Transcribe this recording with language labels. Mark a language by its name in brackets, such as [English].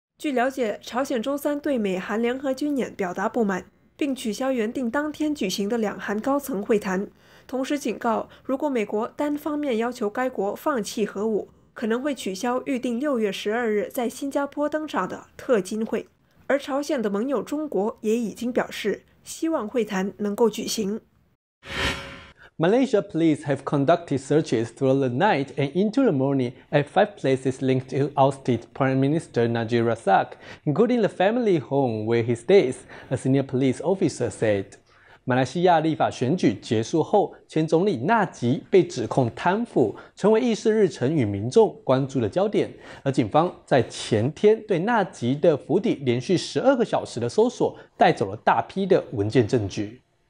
[Chinese] 据了解，朝鲜周三对美韩联合军演表达不满，并取消原定当天举行的两韩高层会谈，同时警告，如果美国单方面要求该国放弃核武，可能会取消预定6月12日在新加坡登场的特金会。而朝鲜的盟友中国也已经表示，希望会谈能够举行。 [English] Malaysia police have conducted searches throughout the night and into the morning at 5 places linked to ousted Prime Minister Najib Razak, including the family home where he stays, a senior police officer said. [Chinese] 马来西亚立法选举结束后，前总理纳吉被指控贪腐，成为议事日程与民众关注的焦点。而警方在前天对纳吉的府邸连续12个小时的搜索，带走了大批的文件证据。